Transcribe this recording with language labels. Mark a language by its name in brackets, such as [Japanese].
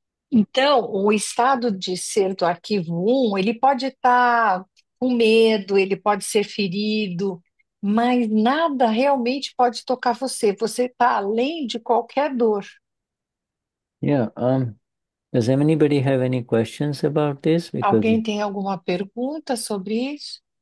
[Portuguese] Então, o estado de ser do arquivo 1, ele pode estar com medo, ele pode ser ferido, mas nada realmente pode tocar você. Você está além de qualquer dor. [English] Does anybody have any questions about this? Because [Portuguese] Alguém tem alguma pergunta sobre isso?